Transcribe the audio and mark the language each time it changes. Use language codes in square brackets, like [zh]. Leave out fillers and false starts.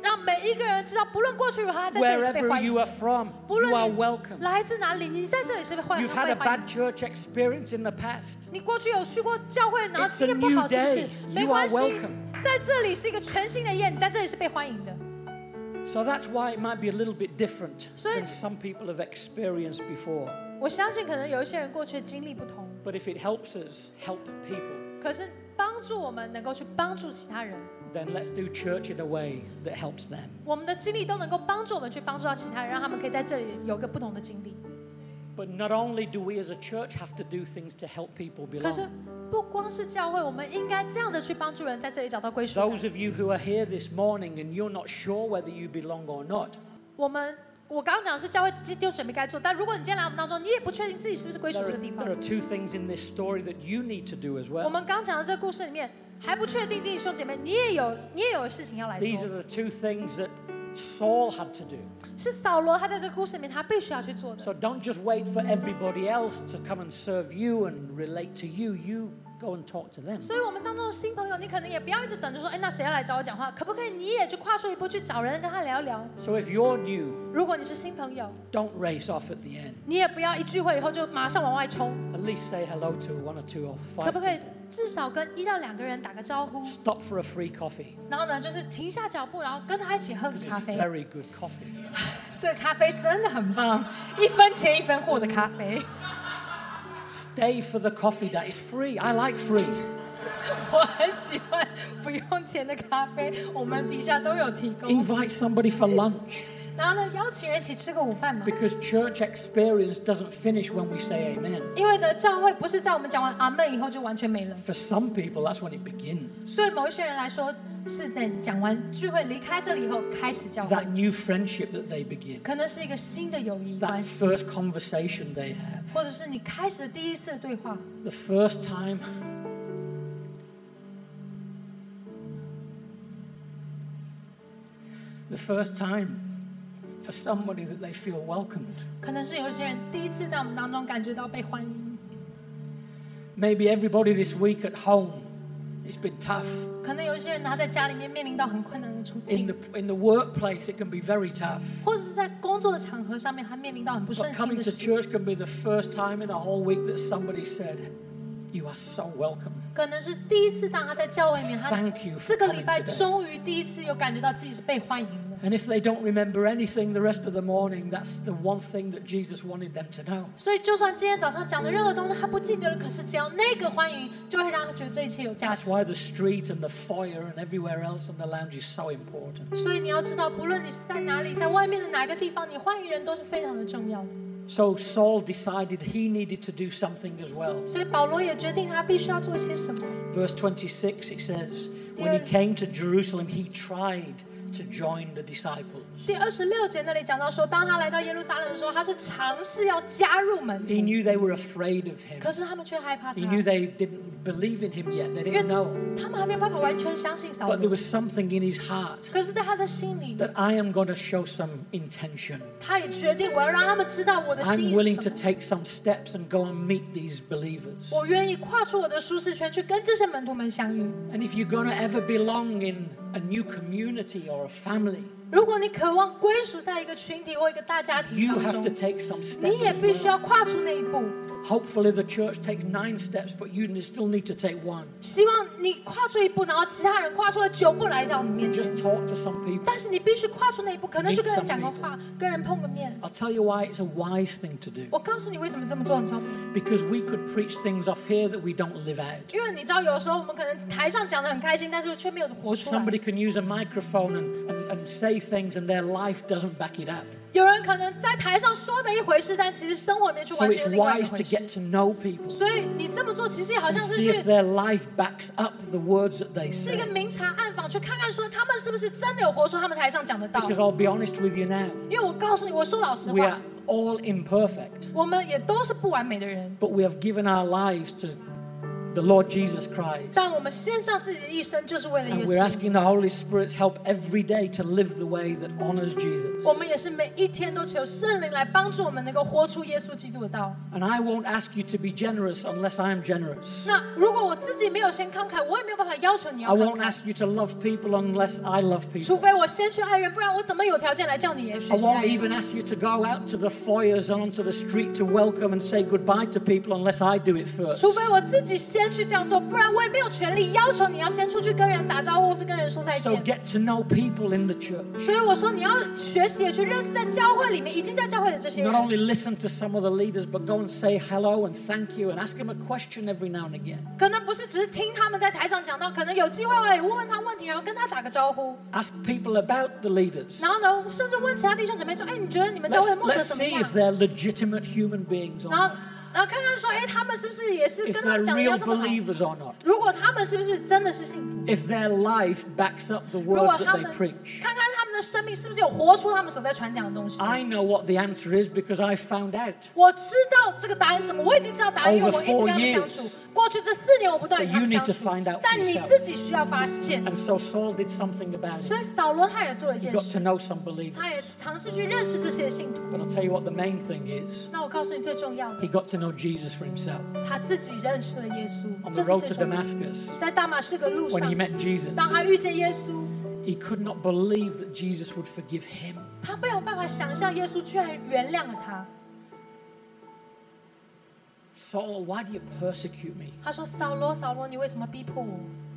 [zh] 让每一个人知道，不论过去如何，在这里是被欢迎。 [en] Wherever you are from, you are welcome. [zh] 来自哪里，你在这里是被欢迎。 [en] You've had a bad church experience in the past. [zh] 你过去有去过教会，然后经验不好，是不是？没关系，在这里是一个全新的宴，在这里是被欢迎的。 [en] So that's why it might be a little bit different than some people have experienced before. [zh] 我相信可能有一些人过去的经历不同。 [en] But if it helps us help people, [zh] 可是帮助我们能够去帮助其他人。 [en] Then let's do church in a way that helps them. [zh] 我们的经历都能够帮助我们去帮助到其他人，让他们可以在这里有一个不同的经历。 [en] But not only do we as a church have to do things to help people belong. [zh] 可是不光是教会，我们应该这样的去帮助人在这里找到归属感。 [en] Those of you who are here this morning and you're not sure whether you belong or not. [zh] 我刚刚讲的是教会弟兄姊妹该做，但如果你今天来我们当中，你也不确定自己是不是归属这个地方。 [en] There are two things in this story that you need to do as well. [zh] 我们刚讲的这个故事里面，还不确定弟兄姊妹，你也有事情要来做。 [en] These are the two things that Saul had to do. [zh] 是扫罗他在这个故事里面他必须要去做的。 [en] So don't just wait for everybody else to come and serve you and relate to you. You go and talk to them. [zh] 所以我们当中的新朋友，你可能也不要一直等着说，哎，那谁要来找我讲话？可不可以你也去跨出一步去找人跟他聊聊 [en] ？So if you're new, [zh] 如果你是新朋友 [en] ，don't race off at the end. [zh] 你也不要一聚会以后就马上往外冲。 [en] At least say hello to one or two or five. [zh] 可不可以至少跟一到两个人打个招呼 [en] ？Stop for a free coffee. [zh] 然后呢，就是停下脚步，然后跟他一起喝个咖啡。 [en] It's very good coffee. [zh] 这咖啡真的很棒，一分钱一分货的咖啡。 [en] Stay for the coffee that is free. I like free. [zh] 我很喜欢不用钱的咖啡，我们底下都有提供。 [en] Invite somebody for lunch. [zh] 然后呢，邀请人一起吃个午饭嘛。 [en] Because church experience doesn't finish when we say amen. [zh] 因为呢，教会不是在我们讲完阿门以后就完全没了。 [en] For some people, that's when it begins. [zh] 对某一些人来说，是在讲完聚会离开这里以后开始教会。 [en] That new friendship that they begin. [zh] 可能是一个新的友谊关系。 [en] That first conversation they have. [zh] 或者是你开始的第一次对话。 [en] The first time. The first time. For somebody that they feel welcomed. [zh] 可能是有些人第一次在我们当中感觉到被欢迎。 [en] Maybe everybody this week at home, it's been tough. [zh] 可能有些人他在家里面面临到很困难的处境。 [en] In the workplace, it can be very tough. [zh] 或者是在工作的场合上面，他面临到很不顺心的事。 [en] Coming to church can be the first time in a whole week that somebody said, "You are so welcome." [zh] 可能是第一次当他在教会里面，他 [en] Thank you [zh] 这个礼拜终于第一次又感觉到自己是被欢迎。 [en] And if they don't remember anything the rest of the morning, that's the one thing that Jesus wanted them to know. [zh] 所以就算今天早上讲的任何东西他不记得了，可是只要那个欢迎，就会让他觉得这一切有价值。 [en] That's why the street and the foyer and everywhere else and the lounge is so important. [zh] 所以你要知道，不论你是在哪里，在外面的哪个地方，你欢迎人都是非常的重要的。 [en] So Saul decided he needed to do something as well. [zh] 所以保罗也决定他必须要做些什么。 [en] Verse 26, it says, when he came to Jerusalem, he tried. To join the disciples. [zh] 第二十六节那里讲到说，当他来到耶路撒冷的时候，他是尝试要加入门徒。 [en] He knew they were afraid of him. [zh] 可是他们却害怕他。 [en] He knew they didn't believe in him yet. They didn't know. [zh] 他们还没有办法完全相信扫罗。 [en] But there was something in his heart. [zh] 可是在他的心里。 [en] That I am going to show some intention. [zh] 他也决定我要让他们知道我的心意是什么。 [en] I'm willing to take some steps and go and meet these believers. [zh] 我愿意跨出我的舒适圈去跟这些门徒们相遇。 [en] And if you're going to ever belong in a new community or a family. [zh] 如果你渴望归属在一个群体或一个大家庭当中， [en] you have to take some steps. [zh] 你也必须要跨出那一步。 [en] Hopefully the church takes 9 steps, but you still need to take 1. [zh] 希望你跨出一步，然后其他人跨出了9步来到你面前。 [en] Just talk to some people. [zh] 但是你必须跨出那一步，可能就跟人讲个话，跟人碰个面。 [en] I'll tell you why it's a wise thing to do. [zh] 我告诉你为什么这么做很重要。 [en] Because we could preach things off here that we don't live out. [zh] 因为你知道，有时候我们可能台上讲得很开心，但是却没有活出来。 [en] Somebody can use a microphone and say things, and their life doesn't back it up. [zh] 有人可能在台上说的一回事，但其实生活里面却完全另外一回事。所以你这么做，其实也好像是去 [en] see if their life backs up the words that they say. [zh] 是一个明察暗访，去看看说他们是不是真的有活出他们台上讲的道。 [en] Because I'll be honest with you now. [zh] 因为我告诉你，我说老实话。 [en] We are all imperfect. [zh] 我们也都是不完美的人。 [en] But we have given our lives to the Lord Jesus Christ. [zh] 当我们献上自己的一生，就是为了耶稣。 [en] And we're asking the Holy Spirit's help every day to live the way that honors Jesus. [zh] 我们也是每一天都求圣灵来帮助我们能够活出耶稣基督的道。 [en] And I won't ask you to be generous unless I am generous. [zh] 那如果我自己没有先慷慨，我也没有办法要求你要慷慨。 [en] I won't ask you to love people unless I love people. [zh] 除非我先去爱人，不然我怎么有条件来叫你耶稣？ [en] I won't even ask you to go out to the foyers and onto the street to welcome and say goodbye to people unless I do it first. [zh] 除非我自己先去这样做，不然我也没有权利要求你要先出去跟人打招呼，或是跟人说再见。 [en] So get to know people in the church. [zh] 所以我说你要学习去认识在教会里面已经在教会的这些人。 [en] Not only listen to some of the leaders, but go and say hello and thank you and ask them a question every now and again. [zh] 可能不是只是听他们在台上讲到，可能有机会来问问他问题，然后跟他打个招呼。 [en] Ask people about the leaders. [zh] 然后呢，甚至问其他弟兄姊妹说：“哎，你觉得你们教会的牧者怎么样？” [en] Let's see if they're legitimate human beings. [zh] 然后看看说，哎，他们是不是也是跟他讲的一样这么好？ [en] Or not. [zh] 如果他们是不是真的是信徒？ [en] If their life backs up the words that they preach. [zh] 看看他们的生命是不是有活出他们所在传讲的东西？ [en] I know what the answer is because I found out. [zh] 我知道这个答案是什么，我已经知道答案，因为我一直跟他们相处。过去这四年，我不断与他们相处。但你自己需要发现。 [en] And so Saul did something about it. [zh] 所以扫罗他也做了一件事。 [en] Got to know some believers. [zh] 他也尝试去认识这些信徒。 [en] But I'll tell you what the main thing is. [zh] 那我告诉你最重要的。 [en] He got to know Jesus for himself. [zh] 他自己认识了耶稣。 [en] On the road to Damascus. [zh] 在大马士革路上。 [en] When he met Jesus. [zh] 当他遇见耶稣。 [en] He could not believe that Jesus would forgive him. [zh] 他没有办法想象耶稣居然原谅了他。 [en] Saul, why do you persecute me? [zh] 他说：“扫罗，扫罗，你为什么逼迫我？”